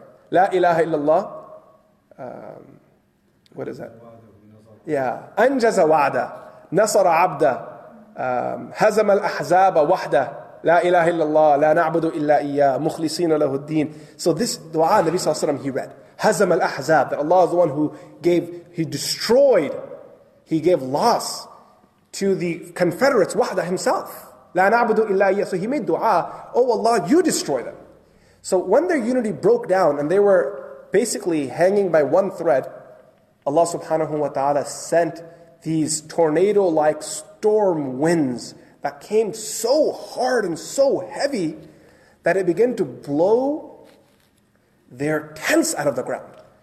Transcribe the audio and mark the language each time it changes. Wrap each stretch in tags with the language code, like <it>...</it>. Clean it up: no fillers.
<en>La ilaha illallah. What is that? Yeah.</en> <ar>أنجز وعدا نصر عبدا هزم الأحزاب وحدا لا إله إلا الله لا نعبد إلا إياه مخلصين له الدين.</ar> <en>So this dua Nabi Sallallahu Alaihi Wasallam, he read. Hazam al-Ahzab, that Allah is the one who gave, he destroyed, he gave loss to the Confederates, Wahda himself. La na'budu illa iyyah. So he made dua, oh Allah, you destroy them. So when their unity broke down and they were basically hanging by one thread, Allah subhanahu wa ta'ala sent these tornado-like storm winds that came so hard and so heavy that it began to blow their tents out of the ground.</en>